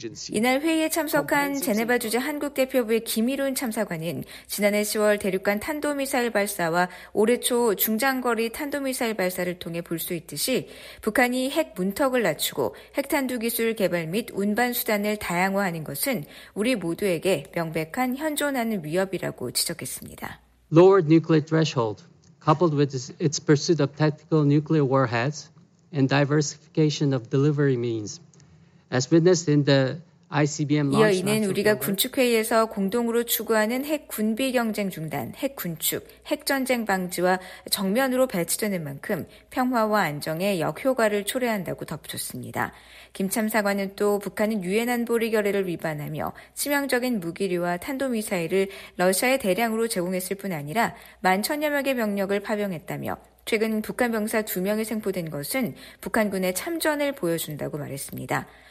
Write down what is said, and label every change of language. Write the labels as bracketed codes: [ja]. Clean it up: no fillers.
[ko] 이날 회의에 참석한 제네바 주재 한국 대표부의 김일훈 참사관은 지난해 10월 대륙간 탄도미사일 발사와 올해 초 중장거리 탄도미사일 발사를 통해 볼 수 있듯이 북한이 핵 문턱을 낮추고 핵탄두 기술 개발 및 운반 수단을 다양화하는 것은 우리 모두에게 명백한 현존하는 위협이라고 지적했습니다. [en] Lower nuclear threshold coupled with its pursuit of tactical nuclear warheads and diversification of delivery means. As witnessed in the ICBM [ko] 이어 이는 우리가 군축회의에서 공동으로 추구하는 핵 군비 경쟁 중단, 핵 군축, 핵 전쟁 방지와 정면으로 배치되는 만큼 평화와 안정에 역효과를 초래한다고 덧붙였습니다. 김 참사관은 또 북한은 유엔 안보리 결의를 위반하며 치명적인 무기류와 탄도미사일을 러시아에 대량으로 제공했을 뿐 아니라 1만 천여 명의 병력을 파병했다며 최근 북한 병사 2명이 생포된 것은 북한군의 참전을 보여준다고 말했습니다.